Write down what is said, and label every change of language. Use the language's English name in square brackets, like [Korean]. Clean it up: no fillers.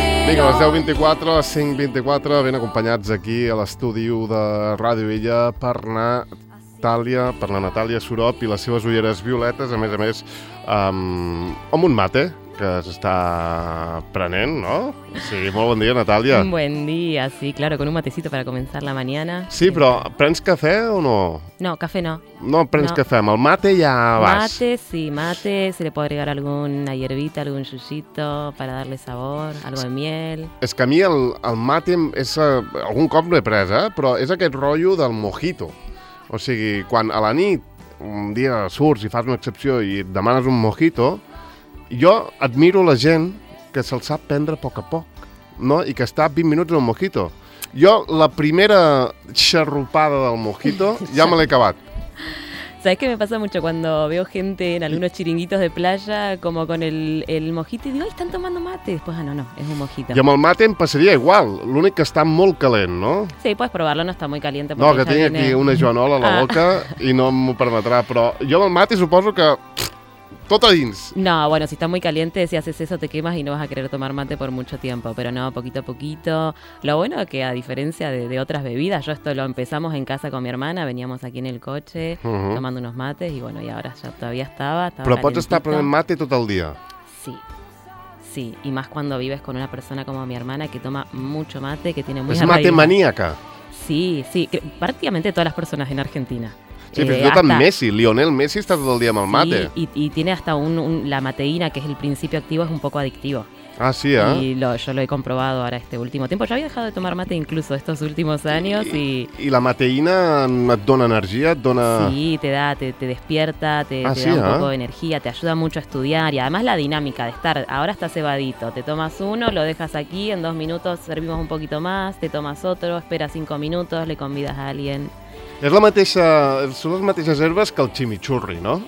[Catalan] Vinga, les 10:24, les 5:24, ben acompanyats aquí a l'estudi de Ràdio Illa per la Natàlia Surop i les seves ulleres violetes, a més, amb un mate que s'està prenent, no? Sí, molt bon dia, Natàlia. [Spanish] Buen día, sí, claro, con un matecito para comenzar la mañana. [Catalan] Sí, però prens cafè o no? No, cafè no. No prens cafè, amb el mate ja vas. [Spanish] Mate, sí, mate, se le puede agregar alguna hierbita, algún sucito para darle sabor, algo de miel. [Catalan] És que a mi el mate, és, algun cop l'he pres, però és aquest rotllo del mojito. O sigui, quan a la nit un dia surts i fas una excepció i et demanes un mojito, jo admiro la gent que se'l sap prendre a poc a poc, no? I que està 20 minuts en un mojito. Jo, la primera xarrupada del mojito, ja me l'he acabat. [Spanish] ¿Sabes qué me pasa mucho cuando veo gente en algunos chiringuitos de playa como con el mojito y digo, ay, están tomando mate? Después, ah, no, es un mojito. [Catalan] Y amb el mate em passaria igual, l'únic que està molt calent, no? [Spanish] Sí, puedes probarlo, no está muy caliente. [Catalan] No, que tinc aquí una joanola a la boca i no m'ho permetrà, però jo amb el mate suposo que... Tot a dins. [Spanish] No, bueno, si está muy caliente, si haces eso te quemas y no vas a querer tomar mate por mucho tiempo, pero no, poquito a poquito. Lo bueno es que a diferencia de otras bebidas, yo esto lo empezamos en casa con mi hermana, veníamos aquí en el coche tomando unos mates y bueno, y ahora ya todavía estaba pero calentito. [Catalan] Pots estar prenent mate tot el dia. Sí. [Spanish] Sí, y más cuando vives con una persona como mi hermana que toma mucho mate, que tiene muy arraigado. Es mate maníaca. Sí, sí, prácticamente todas las personas en Argentina. [Catalan] Sí, fins i tot amb Messi, Lionel Messi està tot el dia amb el mate. [Spanish] Sí, y tiene hasta la mateína, que es el principio activo, es un poco adictivo. Ah, sí, Y yo lo he comprobado ahora este último tiempo. Yo había dejado de tomar mate incluso estos últimos años y... [Catalan] ¿Y la mateína et dona energía? Et dona... [Spanish] Sí, te despierta, te da un poco de energía, te ayuda mucho a estudiar. Y además la dinámica de estar, ahora estás evadito, te tomas uno, lo dejas aquí, en dos minutos servimos un poquito más, te tomas otro, esperas cinco minutos, le convidas a alguien... [Catalan] És la mateixa, són les mateixes herbes que el chimichurri, no?